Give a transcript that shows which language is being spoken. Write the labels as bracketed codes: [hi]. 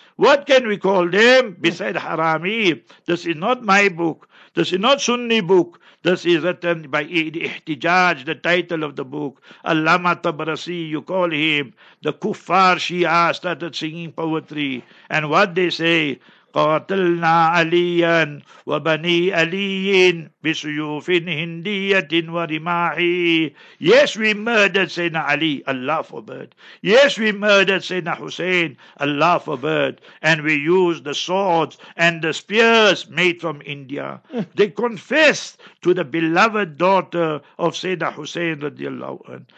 [en] What can we call them beside harami? This is not my book. This is not Sunni book. This is written by Ihtijaj, the title of the book. Allama Tabarasi, you call him. The Kuffar Shia started singing poetry. And what they say? [ar] قاتلنا عليا وبني علي بسيوف هندية ورماح. [en] Yes, we murdered Sayyidina Ali, Allah forbid. Yes, we murdered Sayyidina Hussein, Allah forbid. And we used the swords and the spears made from India. They confessed to the beloved daughter of Sayyidina Hussein radiallahu anhu.